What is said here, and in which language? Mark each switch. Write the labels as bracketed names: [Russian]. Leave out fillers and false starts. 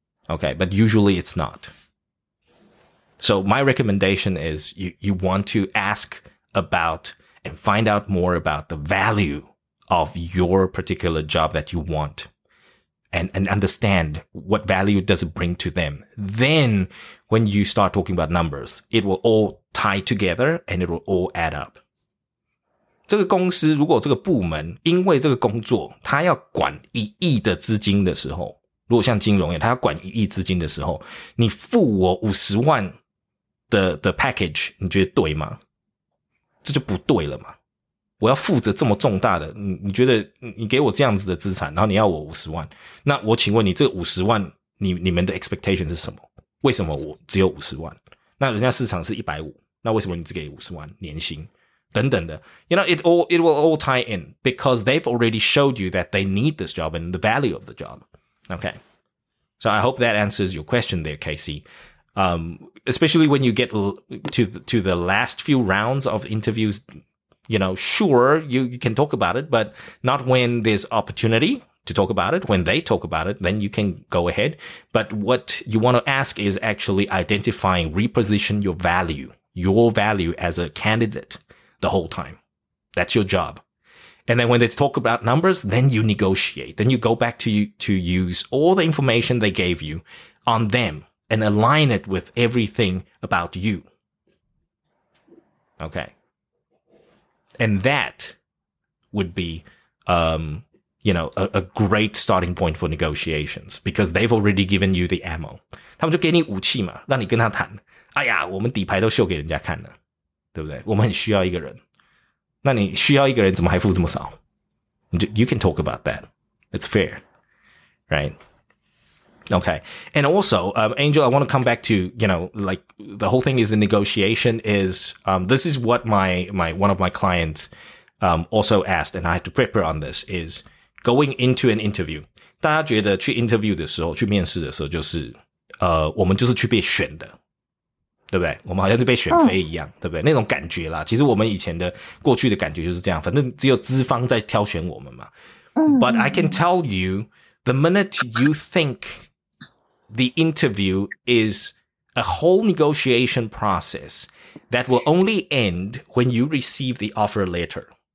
[English] Okay, but usually it's not. So my recommendation is you want to ask about and find out more about the value of your particular job that you want and understand what value does it bring to them. Then when you start talking about numbers, it will all tie together and it will all add up. [Chinese] 这个公司如果这个部门因为这个工作他要管一亿的资金的时候，如果像金融业他要管一亿资金的时候，你付我50万 的 package， 你觉得对吗？这就不对了嘛。我要负责这么重大的，你觉得你给我这样子的资产，然后你要我50万，那我请问你这50万 你们的 expectation 是什么？为什么我只有50万？那人家市场是150，那为什么你只给50万年薪等等的。 [English] You know, it will all tie in because they've already showed you that they need this job and the value of the job. Okay, so I hope that answers your question there, Casey. Especially when you get to the last few rounds of interviews, you know, sure, you can talk about it, but not when there's opportunity to talk about it. When they talk about it, then you can go ahead. But what you want to ask is actually identifying, reposition your value as a candidate the whole time. That's your job. And then when they talk about numbers, then you negotiate. Then you go back to use all the information they gave you on them and align it with everything about you. Okay. And that would be, you know, a great starting point for negotiations because they've already given you the ammo. [Chinese] 他们就给你武器嘛，让你跟他谈。哎呀，我们底牌都秀给人家看了，对不对？我们很需要一个人。那你需要一个人怎么还付这么少？ [English] You can talk about that. It's fair. Right? Okay. And also, Angel, I want to come back to, you know, like the whole thing is a negotiation is, this is what my one of my clients also asked, and I had to prepare on this, is going into an interview. [Chinese] 大家觉得去 interview 的时候，去面试的时候就是，我们就是去被选的。对不对？我们好像是被选妃一样，对不对？那种感觉啦。其实我们以前的过去的感觉就是这样，反正只有资方在挑选我们嘛。 [English] But I can tell you, the minute you think the interview is a whole negotiation process that will only end when you receive the offer letter.